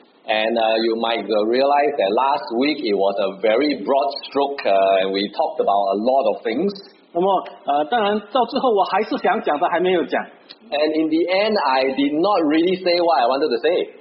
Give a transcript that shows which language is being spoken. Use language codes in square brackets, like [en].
[en] And you might realize that last week it was a very broad stroke, and we talked about a lot of things. [zh] 那么, 当然到最后我还是想讲的还没有讲。 [en] And in the end, I did not really say what I wanted to say.